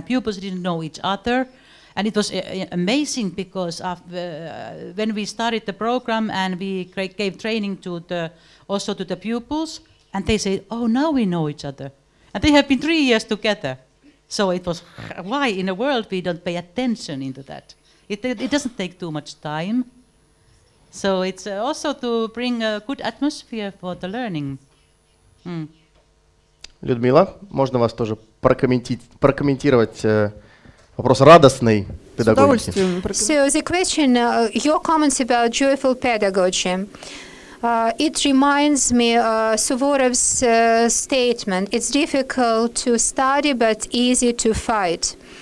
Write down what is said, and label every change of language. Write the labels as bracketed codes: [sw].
[en] And pupils didn't know each other, and it was amazing because when we started the program and we gave training to the pupils, and they said, "Oh, now we know each other," and they have been 3 years together. So it was why in the world we don't pay attention into that. It doesn't take too much time. So it's also to bring a good atmosphere for the learning. [ru] Людмила, можно вас тоже прокомментировать вопрос радостной педагогики? [en] So the question, your comments about joyful pedagogy. It reminds me Suvorov's statement, it's difficult to study but easy to fight.